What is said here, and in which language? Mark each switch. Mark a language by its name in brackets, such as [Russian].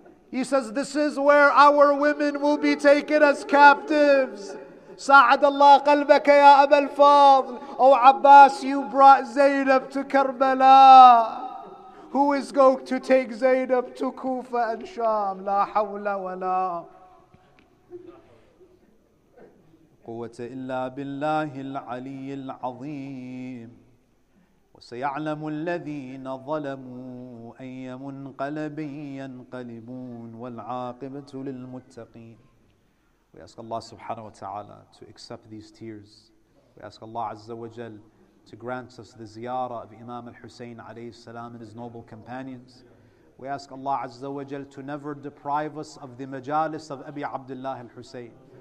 [English] He says, this is where our women will be taken as captives. [Arabic] سعد الله قلبك يا أبا الفاضل. [English] O Abbas, you brought Zaynab to Karbala. Who is going to take Zaynab to Kufa and Sham? [Arabic] La hawla wa la quwwata illa billahi al-aliyy al-azim. وسيعلم الذين ظلموا أي منقلب ينقلبون والعاقبة للمتقين. [English] We ask Allah subhanahu wa ta'ala to accept these tears. We ask Allah azza wa jal to grant us the ziyarah of Imam al-Husayn alayhi salam and his noble companions. We ask Allah azza wa jal to never deprive us of the majalis of Abi Abdullah al-Husayn.